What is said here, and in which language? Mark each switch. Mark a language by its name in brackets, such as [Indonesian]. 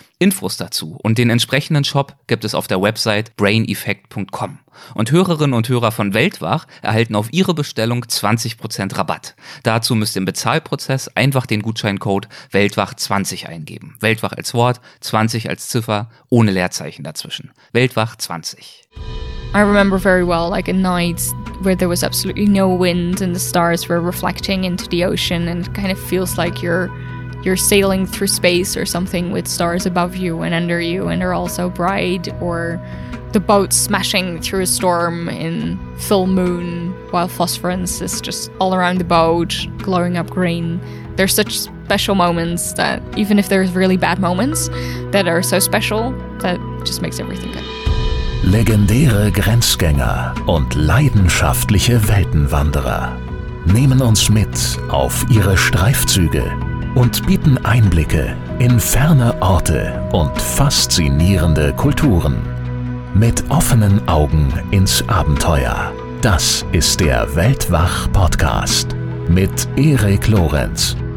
[German] Infos dazu und den entsprechenden Shop gibt es auf der Website braineffect.com. Und Hörerinnen und Hörer von Weltwach erhalten auf ihre Bestellung 20% Rabatt. Dazu müsst ihr im Bezahlprozess einfach den Gutscheincode WELTWACH20 eingeben. Weltwach als Wort, 20 als Ziffer, ohne Leerzeichen dazwischen. WELTWACH20. [English] I remember very well, like a night where there was absolutely no wind and the stars were reflecting into the ocean, and it kind of feels like you're sailing through space or something with stars above you and under you, and they're all so bright, or the boat smashing through a storm in full moon while phosphorus is just all around the boat glowing up green. There's such special moments that even if there's really bad moments that are so special, that just makes everything good. [German] Legendäre Grenzgänger und leidenschaftliche Weltenwanderer nehmen uns mit auf ihre Streifzüge und bieten Einblicke in ferne Orte und faszinierende Kulturen. Mit offenen Augen ins Abenteuer. Das ist der Weltwach-Podcast mit Erik Lorenz.